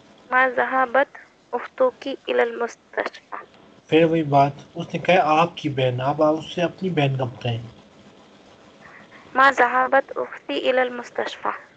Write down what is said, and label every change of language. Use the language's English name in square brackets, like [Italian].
[Arabic] ما ذهبت اختك الى المستشفى. [Urdu] پھر وہی بات، اس نے کہا آپ کی بہن، اب آپ اس سے اپنی بہن کب کہیں. [Arabic] ما ذهبت اختي الى المستشفى.